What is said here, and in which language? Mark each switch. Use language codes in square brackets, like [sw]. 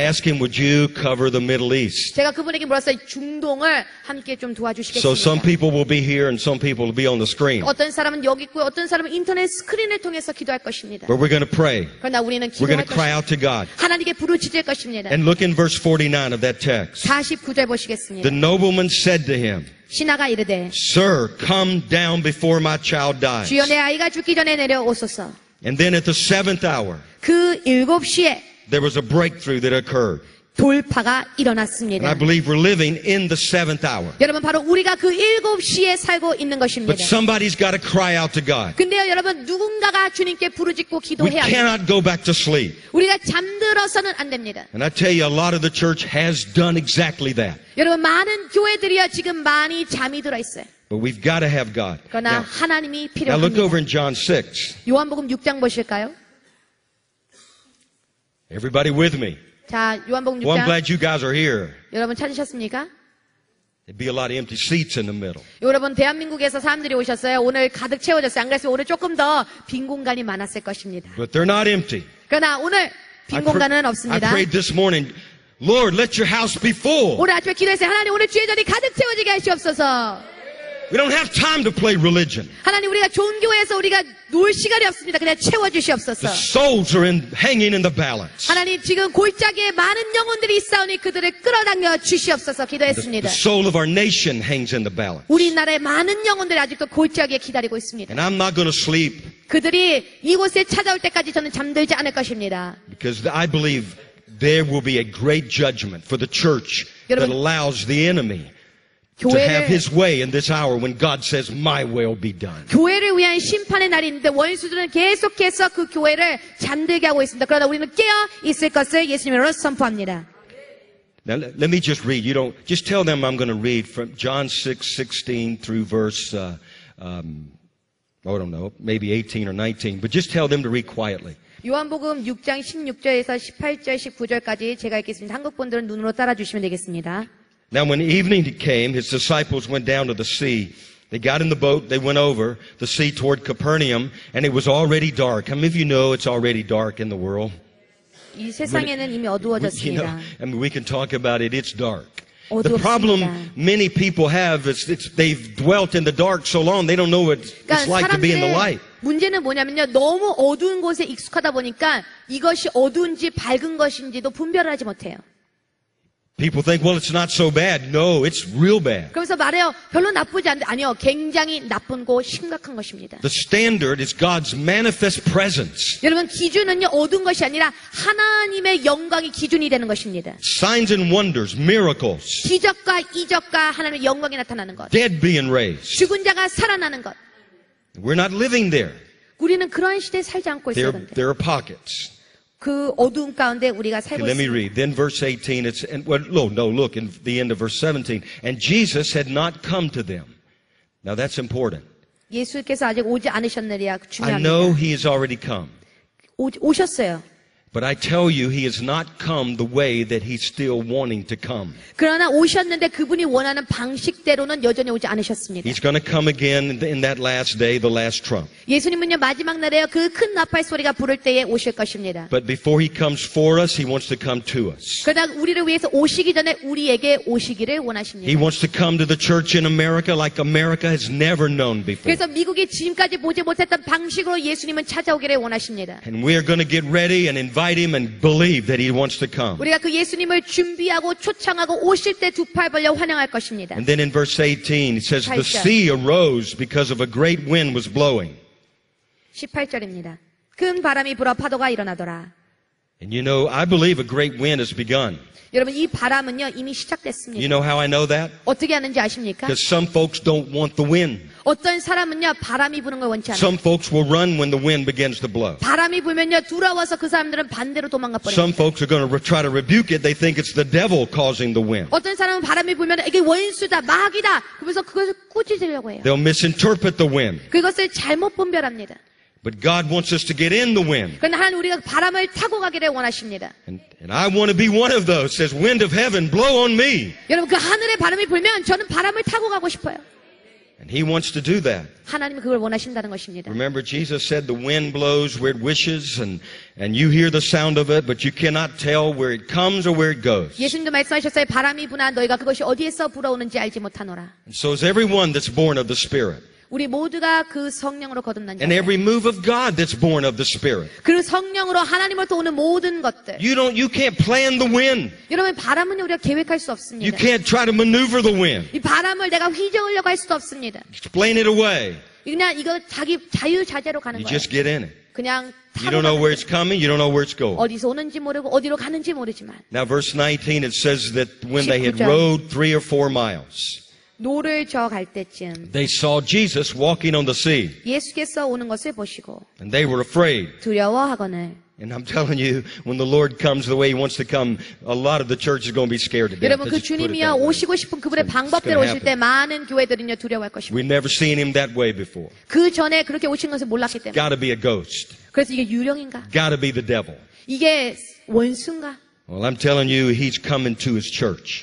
[en] And I asked him, would you cover the Middle East? [ko] 제가 그분에게 물었어요. 중동을 함께 좀 도와주시겠습니까? [en] So some people will be here and some people will be on the screen. [ko] 어떤 사람은 여기 있고 어떤 사람은 인터넷 스크린을 통해서 기도할 것입니다. [en] But we're going to pray. [ko] 그러나 우리는 기도할 [en] We're going to cry out to God. [ko] 하나님께 부르짖을 것입니다. [en] And look in verse 49 of that text. [ko] 49절 보시겠습니다. [en] The nobleman said to him, [ko] 신하가 이르되, [en] Sir, come down before my child dies. [ko] 주여 내 아이가 죽기 전에 내려오소서. [en] And then at the seventh hour, [ko] 그 일곱 시에 [en] there was a breakthrough that occurred. [ko] 돌파가 일어났습니다. [en] And I believe we're living in the seventh hour. [ko] 여러분 바로 우리가 그 일곱 시에 살고 있는 것입니다. [en] But somebody's got to cry out to God. [ko] 근데요 여러분 누군가가 주님께 부르짖고 기도해야 합니다. [en] We cannot go back to sleep. [ko] 우리가 잠들어서는 안 됩니다. [en] And I tell you, a lot of the church has done exactly that. [ko] 여러분 많은 교회들이요 지금 많이 잠이 들어 있어요. [en] But we've got to have God. [ko] 그러나 [en] now, [ko] 하나님이 필요합니다. [en] Now look over in John 6. [ko] 요한복음 6장 보실까요? [en] Everybody with me. [ko] 자, 요한복음 6장. [en] Well, I'm glad you guys are here. [ko] 여러분 찾으셨습니까? [en] There'd be a lot of empty seats in the middle. [ko] 여러분 대한민국에서 사람들이 오셨어요. 오늘 가득 채워졌어요. 안 그랬으면 오늘 조금 더 빈 공간이 많았을 것입니다. [en] But they're not empty. [ko] 그러나 오늘 빈 공간은 없습니다. [en] I prayed this morning. Lord, let your house be full. [ko] 오늘 아침에 기도했어요. 하나님 오늘 주의 전이 가득 채워지게 하시옵소서. [en] We don't have time to play religion. [ko] 하나님, 우리가 종교에서 우리가 놀 시간이 없습니다. 그냥 채워주시옵소서. [en] The souls are hanging in the balance. [ko] 하나님, 지금 골짜기에 많은 영혼들이 있사오니 그들을 끌어당겨 주시옵소서 기도했습니다. [en] The soul of our nation hangs in the balance. [ko] 우리나라의 많은 영혼들이 아직도 골짜기에 기다리고 있습니다. [en] And I'm not going to sleep. [ko] 그들이 이곳에 찾아올 때까지 저는 잠들지 않을 것입니다. [en] Because I believe there will be a great judgment for the church [ko] 여러분, [en] that allows the enemy to have his way in this hour when God says, "My will be done." [ko] 교회를 위한 심판의 날인데 원수들은 계속해서 그 교회를 잠들게 하고 있습니다. 그러나 우리는 깨어 있을 것을 예수님으로 선포합니다. [en] Now let me just read. You don't just tell them I'm going to read from John 6:16 through verse. I don't know, maybe 18 or 19. But just tell them to read quietly. [ko] 요한복음 6장 16절에서 18절 19절까지 제가 읽겠습니다. 한국 분들은 눈으로 따라 주시면 되겠습니다. [en] Now when evening came, his disciples went down to the sea. They got in the boat, they went over the sea toward Capernaum, and it was already dark. How many of you know it's already dark in the world? [ko] 이 세상에는 이미 어두워졌습니다. [en] I mean, we can talk about it, it's dark. [ko] 어두웠습니다. [en] The problem many people have is they've dwelt in the dark so long, they don't know what it's like to be in the light. [ko] 문제는 뭐냐면요, 너무 어두운 곳에 익숙하다 보니까 이것이 어두운지 밝은 것인지도 분별을 하지 못해요. [en] People think, well, it's not so bad. No, it's real bad. [ko] 그래서 말해요, 별로 나쁘지 않은데 아니요, 굉장히 나쁜 거, 심각한 것입니다. [en] The standard is God's manifest presence. [ko] 여러분 기준은요 어두운 것이 아니라 하나님의 영광이 기준이 되는 것입니다. [en] Signs and wonders, miracles. [ko] 기적과 이적과 하나님의 영광이 나타나는 것. [en] Dead being raised. [ko] 죽은 자가 살아나는 것. [en] We're not living there. [ko] 우리는 그런 시대에 살지 않고 있어요. [en] There are pockets. [ko] 그 어두운 가운데 우리가 살고 있습니다. [en] Let me read. Then verse 18, it's, and, well, no, look, in the end of verse 17. And Jesus had not come to them. Now that's important. [ko] 예수께서 아직 오지 않으셨느냐, 중요합니다. [en] I know he has already come. [ko] 오셨어요. [en] But I tell you, he has not come the way that he's still wanting to come. [ko] 그러나 오셨는데 그분이 원하는 방식대로는 여전히 오지 않으셨습니다. [en] He's going to come again in that last day, the last trump. [ko] 예수님은요 마지막 날에요 그 큰 나팔 소리가 부를 때에 오실 것입니다. [en] But before he comes for us, he wants to come to us. [ko] 그러나 우리를 위해서 오시기 전에 우리에게 오시기를 원하십니다. [en] He wants to come to the church in America like America has never known before. [ko] 그래서 미국이 지금까지 보지 못했던 방식으로 예수님은 찾아오기를 원하십니다. [en] And we are going to get ready and in. Invite him and believe that he wants to come. [ko] 우리가 그 예수님을 준비하고 초청하고 오실 때 두 팔 벌려 환영할 것입니다. [en] And then in verse 18, it says [ko] 18절. [en] The sea arose because of a great wind was blowing. [ko] 18절입니다. 큰 바람이 불어 파도가 일어나더라. [en] And you know, I believe a great wind has begun. [ko] 여러분 이 바람은요 이미 시작됐습니다. [en] You know how I know that? [ko] 어떻게 아는지 아십니까? [en] Because some folks don't want the wind. [ko] 어떤 사람은요 바람이 부는 걸 원치 않아요. [en] Some folks will run when the wind begins to blow. [ko] 바람이 불면요 두려워서 그 사람들은 반대로 도망가 버려요. [en] Some folks are going to try to rebuke it. They think it's the devil causing the wind. [ko] 어떤 사람은 바람이 불면 이게 원수다, 마귀다 그러면서 그것을 꾸짖으려고 해요. [en] They'll misinterpret the wind. [ko] 그것을 잘못 분별합니다. [en] But God wants us to get in the wind. [ko] 그러나 하나님 우리가 바람을 타고 가기를 원하십니다. [en] And I want to be one of those. Says wind of heaven, blow on me. [ko] 여러분 그 하늘의 바람이 불면 저는 바람을 타고 가고 싶어요. [en] And He wants to do that. [ko] 하나님은 그걸 원하신다는 것입니다. [en] Remember, Jesus said, "The wind blows where it wishes, and you hear the sound of it, but you cannot tell where it comes or where it goes." [ko] 예수님도 말씀하셨어요. 바람이 부나 너희가 그것이 어디에서 불어오는지 알지 못하노라. [en] And so is everyone that's born of the Spirit. [ko] 우리 모두가 그 성령으로 거듭난 자. [en] And every move of God that's born of the Spirit. [ko] 그 성령으로 하나님으로부터 오는 모든 것들. [en] You can't plan the wind. [ko] 여러분 바람은 우리가 계획할 수 없습니다. [en] You can't try to maneuver the wind. [ko] 이 바람을 내가 휘저으려고 할 수도 없습니다. [en] Explain it away. [ko] 그냥 이거 자기 자유자재로 가는 거예요. [en] You just get in it. [ko] 그냥 [en] You don't know where it's coming. You don't know where it's going. [ko] 어디서 오는지 모르고 어디로 가는지 모르지만. [en] Now verse 19 it says that when they had rowed 3 or 4 miles. [ko] 노를 저어 갈 때쯤 [en] They saw Jesus walking on the sea. [ko] 예수께서 오는 것을 보시고 [en] And they were afraid. [ko] 두려워하거늘 [en] And I'm telling you, when the Lord comes the way He wants to come, a lot of the church is going to be scared to death. [ko] 여러분, 그 주님이야 오시고 싶은 그분의 방법대로 오실 때 많은 교회들은요 두려워할 것입니다. [en] We've never seen Him that way before. [ko] 그 전에 그렇게 오신 것을 몰랐기 때문에 [en] Gotta be a ghost. [ko] 그래서 이게 유령인가? [en] Gotta be the devil. [ko] 이게 원수인가? [en] Well, I'm telling you, He's coming to His church.